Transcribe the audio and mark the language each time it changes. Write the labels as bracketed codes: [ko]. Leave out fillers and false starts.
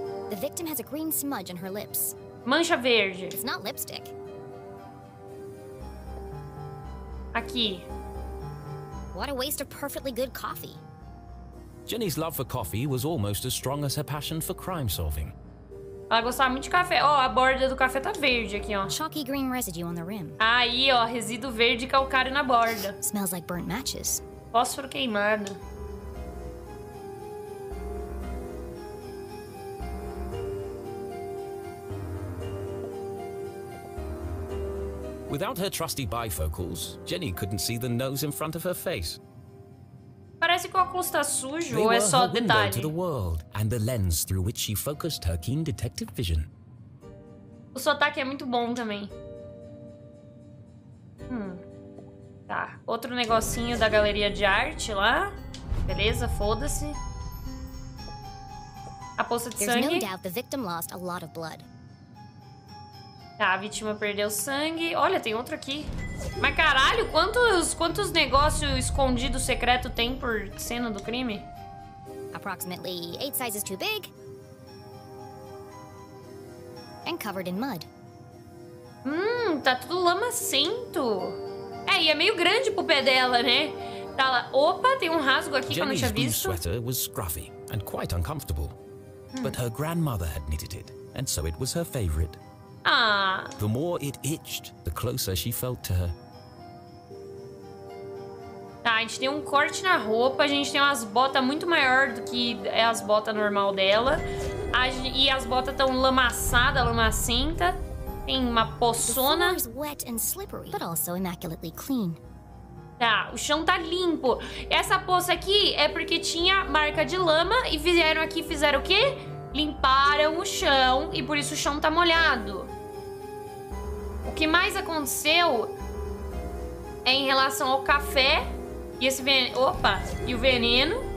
[en] The victim has a green smudge on her lips. [pt] Mancha verde. [en] It's not lipstick. [pt] Aqui. [en] What a waste of perfectly good coffee. Jenny's love for coffee was almost as strong as her passion for crime solving. [pt] Ela gostava muito de café. Ó, a borda do café tá verde aqui, ó. [en] Chalky green residue on the rim. [pt] Aí, ó, resíduo verde calcário na borda. [en] Smells like burnt matches. [pt] Fósforo queimado. [en] Without her trusty bifocals, Jenny couldn't see the nose in front of her face. [pt] Parece que o óculos tá sujo, ou é só detalhe? [en] To the world and the lens through which she focused her keen detective vision. [pt] O sotaque é muito bom também. Tá, outro negocinho da galeria de arte lá. Beleza, foda-se. A poça de sangue. [en] There's no doubt the victim lost a lot of blood. [pt] Tá, a vítima perdeu sangue. Olha, tem outro aqui. Mas caralho, quantos negócios escondidos secretos tem por cena do crime? [en] Approximately 8 sizes too big. And covered in mud. [pt] Tá tudo lamacento. É, e é meio grande pro pé dela, né? Tá lá. Opa, tem um rasgo aqui que eu não tinha visto. [en] Jenny's blue sweater was scruffy and quite uncomfortable. But her grandmother had knitted it, and so it was her favorite. Ah. The more it itched, the closer she felt to her. [pt] Tá, a gente tem um corte na roupa, a gente tem umas botas muito maior do que é as botas normal dela. E as botas estão lamaçadas, lamacenta. Tem uma poçona. [en] Wet and slippery, but also immaculately clean. [pt] Tá, o chão tá limpo. Essa poça aqui é porque tinha marca de lama e vieram aqui e fizeram o quê? Limparam o chão e por isso o chão tá molhado. O que mais aconteceu é em relação ao café e esse veneno. Opa! E o veneno.